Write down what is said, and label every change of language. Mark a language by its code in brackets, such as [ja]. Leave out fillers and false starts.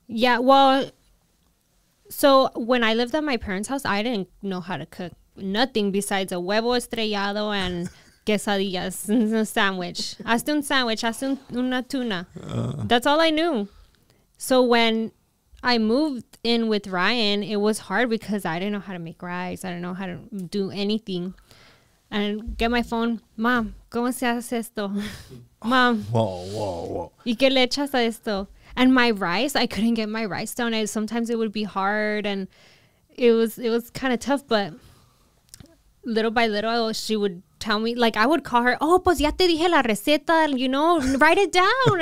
[en] Yeah, well, so when I lived at my parents' house, I didn't know how to cook nothing besides a huevo estrellado and quesadillas and a sandwich. [es] Hazte un sandwich, hazte una tuna. [en] That's all I knew. So when I moved in with Ryan, it was hard because I didn't know how to make rice. I didn't know how to do anything. And get my phone, Mom, [es] ¿cómo se hace esto? [en] Mom. Whoa. [es] ¿Y qué le echas a esto? [en] And my rice, I couldn't get my rice down. Sometimes it would be hard and it was kind of tough, but little by little, she would tell me, like, I would call her, oh, [es] pues ya te dije la receta, [en] you know, write it down.